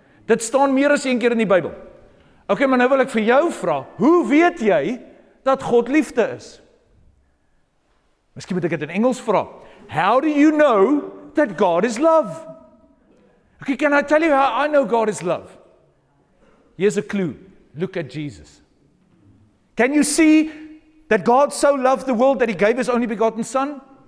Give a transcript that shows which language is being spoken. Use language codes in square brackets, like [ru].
[af] Dit staan meer as een keer in die Bybel. Ok, maar nou wil ek vir jou vra, hoe weet jy dat God liefde is? Miskien moet ek dit in Engels vra. [en] How do you know that God is love? Ok, can I tell you how I know God is love? Here's a clue. Look at Jesus. Can you see that God so loved the world that he gave his only begotten Son?